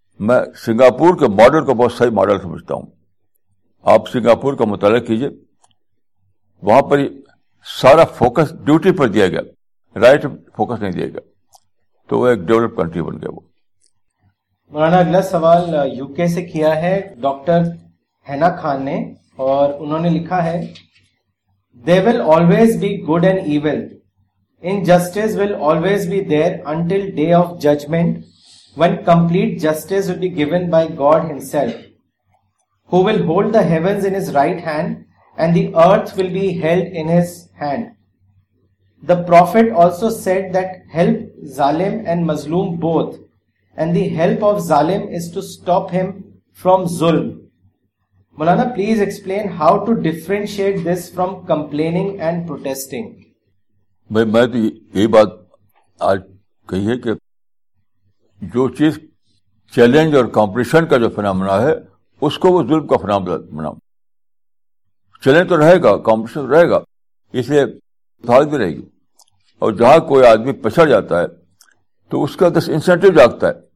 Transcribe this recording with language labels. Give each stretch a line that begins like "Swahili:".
Urdu: میں سنگاپور کے ماڈل کو بہت صحیح ماڈل سمجھتا ہوں. آپ سنگاپور کا مطالعہ کیجیے, وہاں پر سارا فوکس ڈیوٹی پر دیا گیا, رائٹ فوکس نہیں دیا گیا, تو وہ ایک ڈیولپ کنٹری بن گیا. وہ مولانا اگلا سوال یو کے سے کیا ہے ڈاکٹر ہینا خان نے, اور انہوں نے لکھا ہے
English: There will always be good and evil. Injustice will always be there until day of judgment when complete justice will be given by God himself who will hold the heavens in his right hand and the earth will be held in his hand. The prophet also said that help zalim and mazloom both and the help of zalim is to stop him from zulm. Maulana, please explain how to differentiate this from complaining and protesting.
Urdu: بھائی میں تو یہی بات آج کہی ہے کہ جو چیز چیلنج اور کمپٹیشن کا جو فنامنا ہے اس کو وہ ظلم کا فنامنا. چیلنج تو رہے گا, کمپٹیشن رہے گا, اس لیے حالت بھی رہے گی, اور جہاں کوئی آدمی پچھڑ جاتا ہے تو اس کا دس انسینٹیو جاگتا ہے.